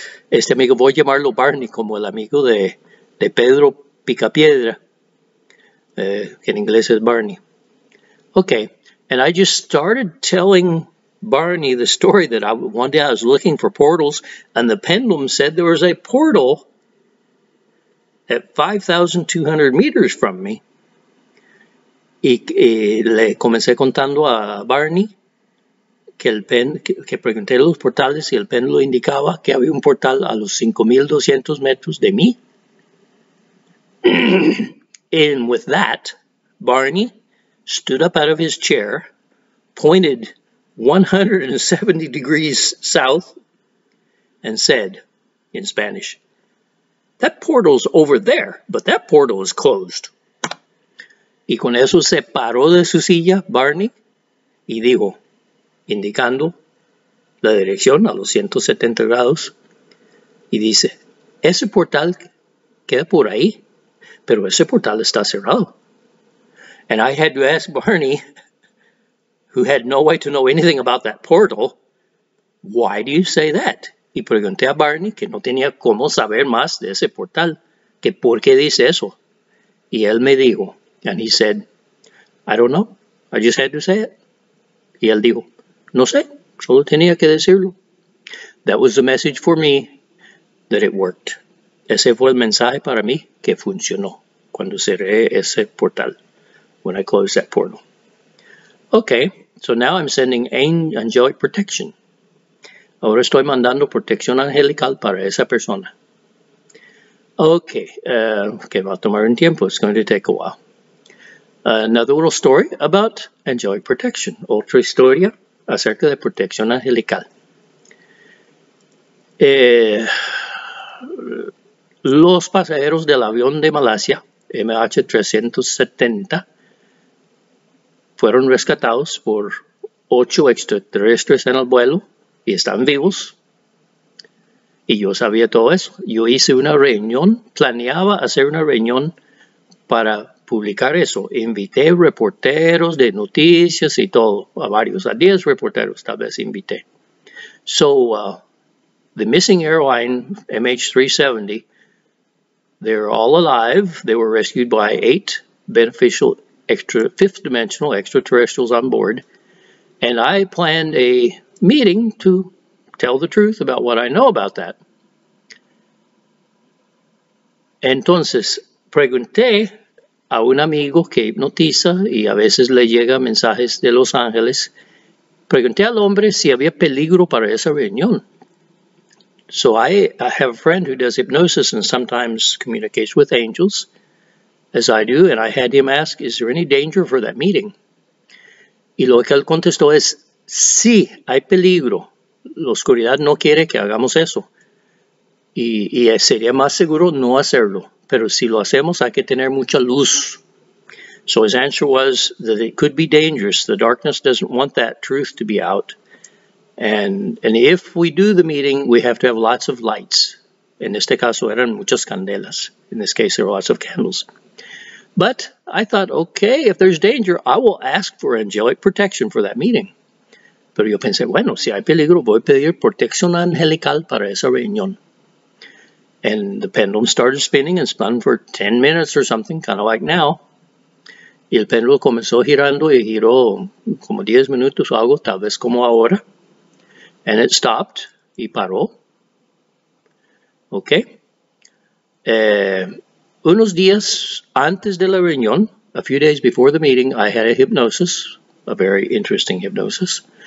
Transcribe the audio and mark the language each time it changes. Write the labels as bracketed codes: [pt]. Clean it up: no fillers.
[es] Este amigo, voy a llamarlo Barney, como el amigo de Pedro Picapiedra, que en inglés es Barney. [en] Okay, and I just started telling Barney the story that one day I was looking for portals, and the pendulum said there was a portal at 5,200 meters from me. [es] Y le comencé contando a Barney que pregunté los portales y el pendulum indicaba que había un portal a los 5,200 metros de mí. [en] And with that, Barney stood up out of his chair, pointed 170 degrees south, and said in Spanish, "That portal's over there, but that portal is closed." [es] Y con eso se paró de su silla, Barney, y dijo, indicando la dirección a los 170 grados, y dice, "Ese portal queda por ahí, pero ese portal está cerrado." [en] And I had to ask Barney, who had no way to know anything about that portal, "Why do you say that?" [es] Y pregunté a Barney, que no tenía cómo saber más de ese portal, que por qué dice eso. Y él me dijo, [en] and he said, "I don't know. I just had to say it." [es] Y él dijo, "No sé, solo tenía que decirlo." [en] That was the message for me, that it worked. [es] Ese fue el mensaje para mí que funcionó cuando cerré ese portal. [en] When I close that portal. Okay, so now I'm sending angelic protection. [es] Ahora estoy mandando protección angelical para esa persona. Okay, que va a tomar un tiempo. [en] It's going to take a while. Another little story about angelic protection. [es] Otra historia acerca de protección angelical. Los pasajeros del avión de Malasia, MH370, fueron rescatados por 8 extraterrestres en el vuelo y están vivos. Y yo sabía todo eso. Yo hice una reunión, planeaba hacer una reunión para publicar eso. Invité reporteros de noticias y todo, a varios, a 10 reporteros tal vez invité. [en] So, the missing airline, MH370, they're all alive. They were rescued by 8 beneficial fifth dimensional extraterrestrials on board, And I planned a meeting to tell the truth about what I know about that. [es] Entonces, pregunté a un amigo que hipnotiza y a veces le llega mensajes de Los Ángeles. Pregunté al hombre si había peligro para esa reunión. [en] So I have a friend who does hypnosis and sometimes communicates with angels, as I do, and I had him ask, is there any danger for that meeting? [es] Y lo que él contestó es, sí, hay peligro. La oscuridad no quiere que hagamos eso. Y sería más seguro no hacerlo. Pero si lo hacemos, hay que tener mucha luz. [en] So his answer was that it could be dangerous. The darkness doesn't want that truth to be out. And if we do the meeting, we have to have lots of lights. [es] En este caso eran muchas candelas. [en] In this case, there were lots of candles. But I thought, okay, if there's danger, I will ask for angelic protection for that meeting. [es] Pero yo pensé, bueno, si hay peligro, voy a pedir protección angelical para esa reunión. [en] And the pendulum started spinning and spun for 10 minutes or something, kind of like now. [es] Y el pendulum comenzó girando y giró como 10 minutos o algo, tal vez como ahora. [en] And it stopped [es] y paró. [en] Okay. [es] Unos días antes de la reunión, [en] a few days before the meeting, I had a hypnosis, a very interesting hypnosis.